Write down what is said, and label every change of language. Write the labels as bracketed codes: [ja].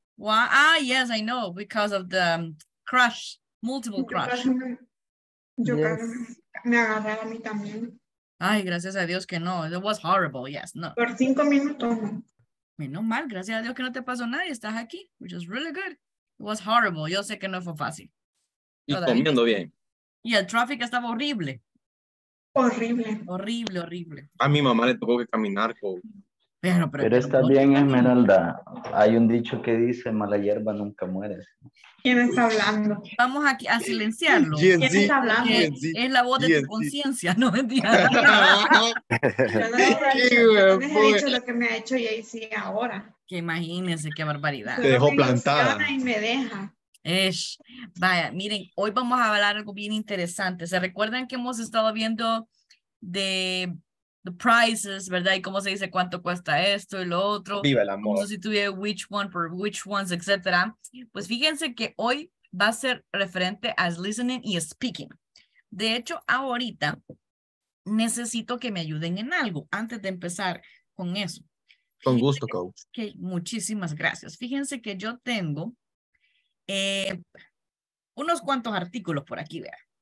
[en] Ah, yes, I know, because of the crash, multiple crash. [es] Yo creo que me agarré a mí también. Ay, gracias a Dios que no. [en] It was horrible, yes, no. [es] Por 5 minutos. Menos mal, gracias a Dios que no te pasó nada y estás aquí, [en] which is really good. It was horrible, [es] yo sé que no fue fácil. Y todavía comiendo bien. Y el tráfico estaba horrible. Horrible. Horrible, horrible. A mi mamá le tocó que caminar. Pero está bien, Esmeralda. Hay un dicho que dice, mala hierba nunca muere. ¿Quién está hablando? Vamos aquí a silenciarlo. ¿Quién está hablando? Es la voz de tu conciencia, ¿no? Yo no he dicho lo que me ha hecho Jay-Z ahora. Que imagínense, qué barbaridad. Te dejó plantada. Y me deja. Ish. Vaya, miren, hoy vamos a hablar algo bien interesante. ¿Se recuerdan que hemos estado viendo de [en] the prices, [es] verdad? Y cómo se dice cuánto cuesta esto y lo otro. Viva el amor. Como si tuviera [en] which one for which ones, [es] etc. Pues fíjense que hoy va a ser referente a listening y speaking. De hecho, ahorita necesito que me ayuden en algo antes de empezar con eso. Fíjense con gusto, coach. Que, muchísimas gracias. Fíjense que yo tengo unos cuantos artículos por aquí, vea.